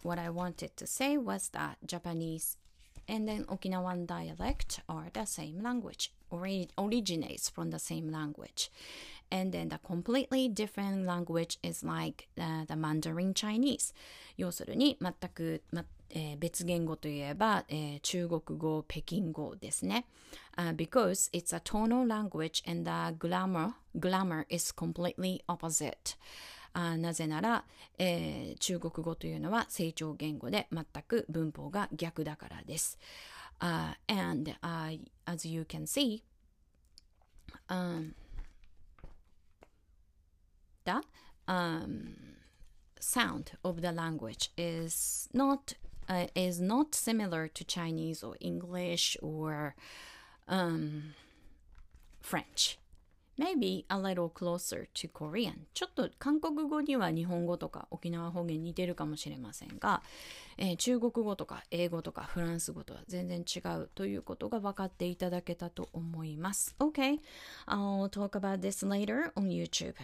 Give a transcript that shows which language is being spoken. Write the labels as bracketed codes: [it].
[en] What I wanted to say was the Japanese. And then Okinawan dialect are the same language, originates from the same language. And then the completely different language is like the Mandarin Chinese. [ja] 要するに全く、別言語といえば、中国語、北京語ですね。 [en] Because it's a tonal language and the grammar is completely opposite. [ja] なぜなら、中国語というのは声調言語で全く文法が逆だからです。 [en] As you can see,、the、sound of the language is not similar to Chinese or English or、French. Maybe a little closer to Korean. [ja] ちょっと韓国語には日本語とか沖縄方言似てるかもしれませんが、中国語とか英語とかフランス語とは全然違うということが分かっていただけたと思います。 [en] Okay, I'll talk about this later on YouTube.